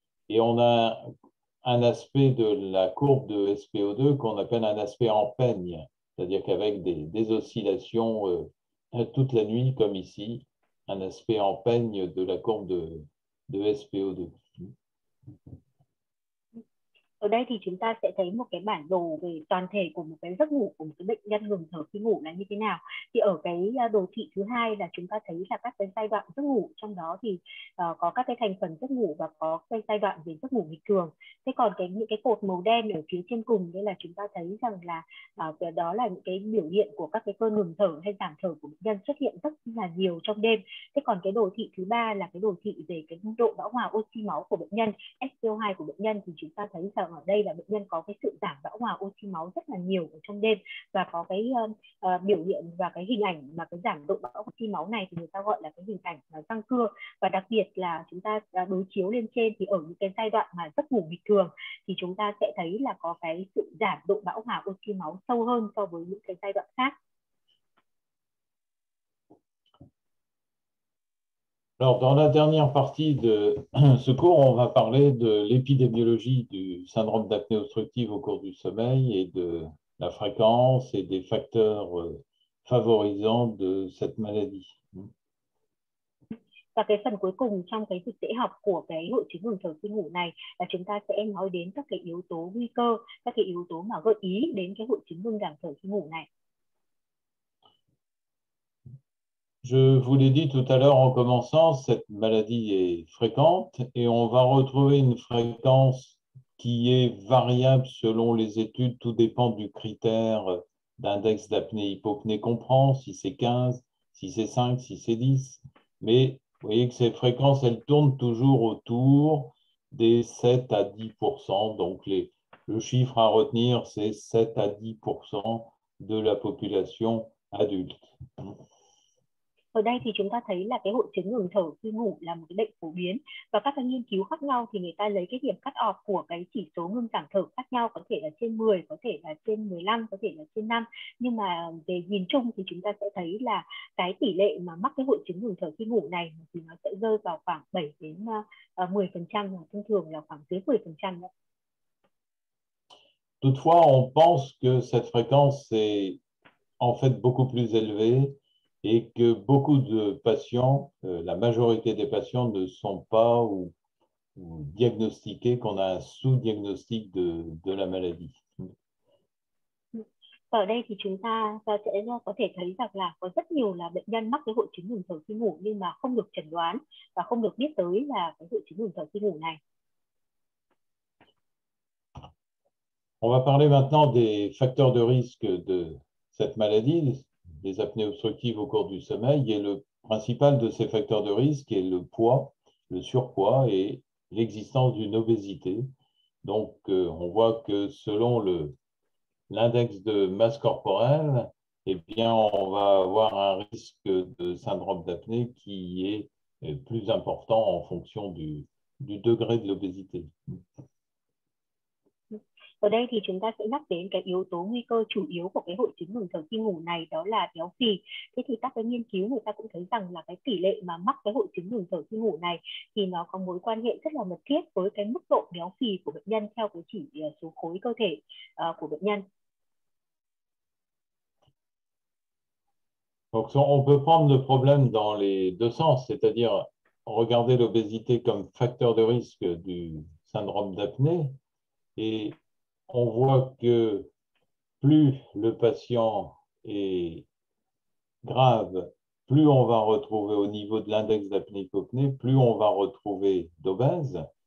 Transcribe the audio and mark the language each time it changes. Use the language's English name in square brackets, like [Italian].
[French] et on a un aspect de la courbe de SpO2 qu'on appelle un aspect en peigne, c'est-à-dire qu'avec des oscillations toute la nuit, comme ici, un aspect en peigne de la courbe de SpO2. [Vietnamese] Ở đây thì chúng ta sẽ thấy một cái bản đồ về toàn thể của một cái giấc ngủ của một cái bệnh nhân ngừng thở khi ngủ là như thế nào. Thì ở cái đồ thị thứ hai là chúng ta thấy là các cái giai đoạn giấc ngủ, trong đó thì có các cái thành phần giấc ngủ và có cái giai đoạn về giấc ngủ bình thường. Thế còn cái những cái cột màu đen ở phía trên cùng đây là chúng ta thấy rằng là đó là những cái biểu hiện của các cái cơn ngừng thở hay giảm thở của bệnh nhân xuất hiện rất là nhiều trong đêm. Thế còn cái đồ thị thứ ba là cái đồ thị về cái độ bão hòa oxy máu của bệnh nhân, SpO2 của bệnh nhân, thì chúng ta thấy rằng ở đây là bệnh nhân có cái sự giảm bão hòa oxy máu rất là nhiều ở trong đêm, và có cái biểu hiện và cái hình ảnh mà cái giảm độ bão oxy máu này thì người ta gọi là cái hình ảnh là răng cưa. Và đặc biệt là chúng ta đối chiếu lên trên thì ở những cái giai đoạn mà giấc ngủ bình thường thì chúng ta sẽ thấy là có cái sự giảm độ bão hòa oxy máu sâu hơn so với những cái giai đoạn khác. [French] Alors, dans la dernière partie de ce cours, on va parler de l'épidémiologie du syndrome d'apnée obstructive au cours du sommeil et de la fréquence et des facteurs favorisants de cette maladie. [Vietnamese] Và cái phần cuối cùng trong cái dịch tễ học của cái hội chứng ngừng thở khi ngủ này là chúng ta sẽ nói đến các cái yếu tố nguy cơ, các cái yếu tố mà gợi ý đến cái hội chứng ngừng giảm thở khi ngủ này. [French] Je vous l'ai dit tout à l'heure en commençant, cette maladie est fréquente et on va retrouver une fréquence qui est variable selon les études, tout dépend du critère d'index d'apnée hypopnée qu'on prend, si c'est 15, si c'est 5, si c'est 10. Mais vous voyez que ces fréquences, elles tournent toujours autour des 7 à 10%. Donc le chiffre à retenir, c'est 7 à 10% de la population adulte. [Vietnamese] Ở đây thì chúng ta thấy là cái hội chứng ngừng thở khi ngủ là một cái bệnh phổ biến, và các cái nghiên cứu khác nhau thì người ta lấy cái điểm cut off của cái chỉ số ngừng giảm thở khác nhau, có thể là trên 10, có thể là trên 15, có thể là trên 5. Nhưng mà về nhìn chung thì chúng ta sẽ thấy là cái tỷ lệ mà mắc cái hội chứng ngừng thở khi ngủ này thì nó sẽ rơi vào khoảng 7 đến 10%, và thông thường là khoảng dưới 10%. [French] Toutefois, on pense que cette fréquence est en fait beaucoup plus élevée et que beaucoup de patients, la majorité des patients ne sont pas ou diagnostiqués, qu'on a un sous-diagnostic de la maladie. [Vietnamese] Ở đây thì chúng ta sẽ có thể thấy rằng là có rất nhiều là bệnh nhân mắc cái hội chứng ngừng thở khi ngủ nhưng mà không được chẩn đoán và không được biết tới là cái hội chứng ngừng thở khi ngủ này. [French] On va parler maintenant des facteurs de risque de cette maladie. Les apnées obstructives au cours du sommeil, et le principal de ces facteurs de risque est le poids, le surpoids et l'existence d'une obésité. Donc, on voit que selon l'index de masse corporelle, eh bien, on va avoir un risque de syndrome d'apnée qui est plus important en fonction du degré de l'obésité. [Vietnamese] Ở đây thì chúng ta sẽ nhắc đến cái yếu tố nguy cơ chủ yếu của cái hội chứng ngừng thở khi ngủ này, đó là béo phì. Thế thì các cái nghiên cứu người ta cũng thấy rằng là cái tỷ lệ mà mắc cái hội chứng ngừng thở khi ngủ này thì nó có mối quan hệ rất là mật thiết với cái mức độ béo phì của bệnh nhân theo cái chỉ số khối cơ thể của bệnh nhân. [French] Donc on peut prendre le problème dans les deux sens, c'est-à-dire regarder l'obésité comme facteur de risque du syndrome d'apnée, et on voit que plus le patient est grave, plus on va retrouver au niveau de l'index d'apnée hypopnée, plus on va retrouver d'obèse.